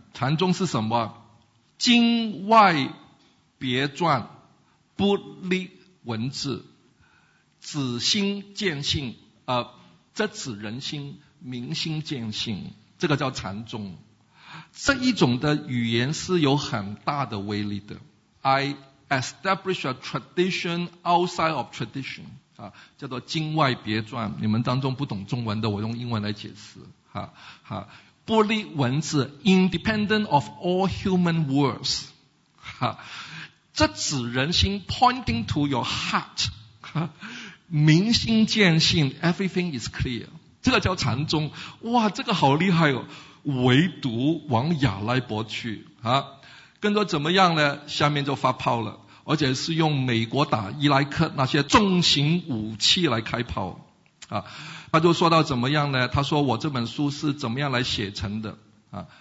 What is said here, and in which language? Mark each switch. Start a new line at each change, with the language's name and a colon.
Chinese: 禅宗是什么？经外别传，不立文字，指心见性，这指人心，明心见性，这个叫禅宗。这一种的语言是有很大的威力的。
English: I establish a tradition outside of tradition，啊，
Chinese: 叫做经外别传。你们当中不懂中文的，我用英文来解释。不立文字
English: ，independent of all human words，
Chinese: 这指人心
English: ，pointing to your heart，
Chinese: 明心见性
English: ，everything is clear。
Chinese: 这个叫禅宗。哇，这个好厉害哦。唯独往亚莱伯去啊，跟着怎么样呢？下面就发炮了，而且是用美国打伊拉克那些重型武器来开炮啊。他就说到怎么样呢？他说我这本书是怎么样来写成的啊？